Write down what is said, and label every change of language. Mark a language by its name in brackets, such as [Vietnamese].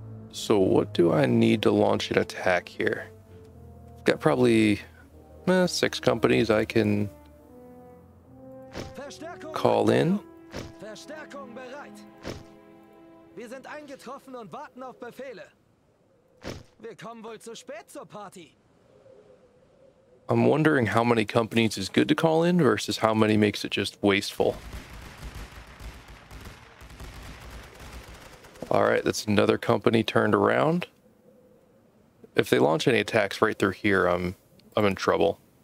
[English] So what do I need to launch an attack here? I've got probably 6 companies I can call in. [German] Verstärkung bereit. Wir sind eingetroffen und warten auf Befehle. Wir kommen wohl zu spät zur Party. [English] I'm wondering how many companies is good to call in versus how many makes it just wasteful. All right, that's another company turned around. If they launch any attacks right through here, I'm in trouble.